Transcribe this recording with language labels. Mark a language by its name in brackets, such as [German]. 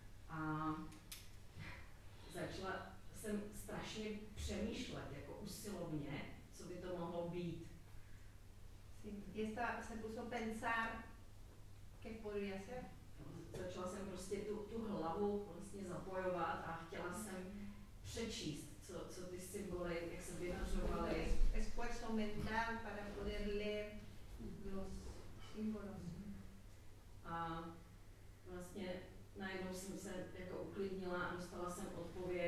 [Czech] A začala jsem strašně přemýšlet, jako usilovně, co by to mohlo být. [Spanish] Y esta se puso a pensar qué podría ser. [Czech] Začala jsem prostě tu hlavu vlastně zapojovat a chtěla jsem přečíst, co ty symboly, jak se vyjadřovaly. [Spanish] Esfuerzo mental para poder leer los símbolos. [Czech] A vlastně najednou jsem se jako uklidnila a dostala jsem odpověď.